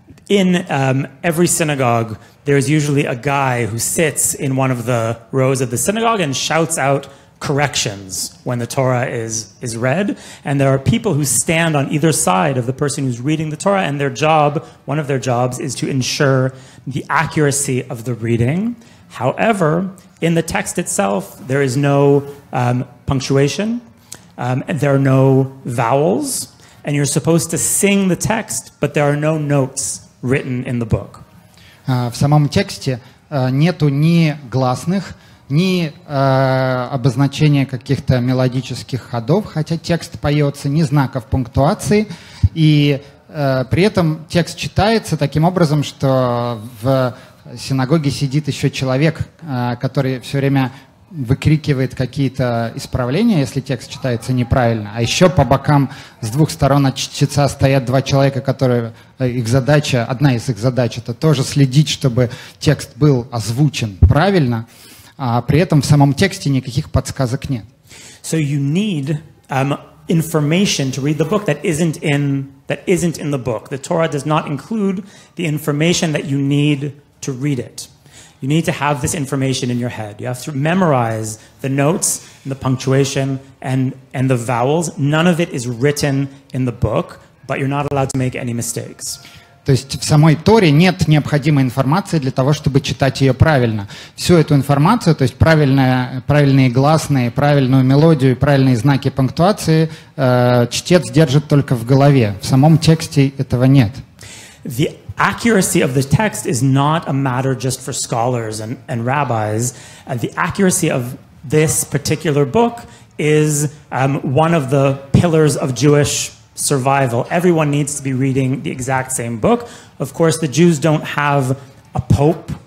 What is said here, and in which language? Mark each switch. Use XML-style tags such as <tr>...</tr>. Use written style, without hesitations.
<en>In every synagogue, there is usually a guy who sits in one of the rows of the synagogue and shouts out corrections when the Torah is read, and there are people who stand on either side of the person who's reading the Torah, and their job, one of their jobs, is to ensure the accuracy of the reading. However, in the text itself, there is no punctuation, and there are no vowels, and you're supposed to sing the text, but there are no notes written in the book.</en> <ru>В самом тексте нету ни гласных, ни обозначения каких-то мелодических ходов, хотя текст поется, ни знаков пунктуации. И при этом текст читается таким образом, что в синагоге сидит еще человек, который все время выкрикивает какие-то исправления, если текст читается неправильно. А еще по бокам с двух сторон от чтеца стоят два человека, которые их задача, одна из их задач, это тоже следить, чтобы текст был озвучен правильно. А при этом в самом тексте никаких подсказок нет.</ru> <en>So you need information to read the book that isn't in the book. The Torah does not include the information that you need to read it. You need to have this information in your head. You have to memorize the notes and the punctuation and the vowels. None of it is written in the book, but you're not allowed to make any mistakes.</en> <ru>То есть в самой Торе нет необходимой информации для того, чтобы читать ее правильно. Всю эту информацию, то есть правильные гласные, правильную мелодию, правильные знаки пунктуации, чтец держит только в голове. В самом тексте этого нет.</ru> <en>The accuracy of the text is not a matter just for scholars and rabbis. And the accuracy of this particular book is one of the pillars of Jewish survival. Everyone needs to be reading the exact same book. Of course, the Jews don't have a pope.</en>